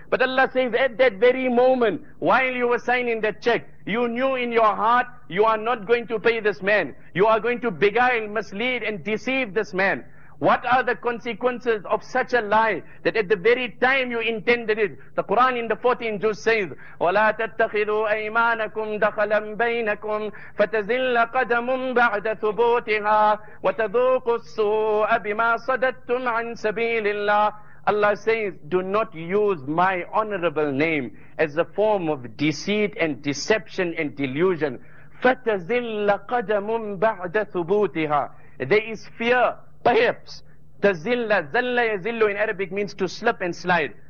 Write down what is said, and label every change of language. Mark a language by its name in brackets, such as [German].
[English] But Allah says, at that very moment, while you were signing that check, you knew in your heart, you are not going to pay this man. You are going to beguile, mislead and deceive this man. What are the consequences of such a lie that at the very time you intended it? The Quran in the 14th juz says, [Arabic] وَلَا تَتَّخِذُوا أَيْمَانَكُمْ دَخَلًا بَيْنَكُمْ فَتَزِلَّ قَدَمٌ بَعْدَ ثُبُوتِهَا وَتَذُوقُ السُّوءَ بِمَا صَدَدْتُمْ عَنْ سَبِيلِ اللَّهِ. [English] Allah says, do not use my honorable name as a form of deceit and deception and delusion. [Arabic] فَتَزِلَّ قَدَمٌ بَعْدَ ثُبُوتِهَا. [English] There is fear. Perhaps, tazilla, zalla yazillu in Arabic means to slip and slide.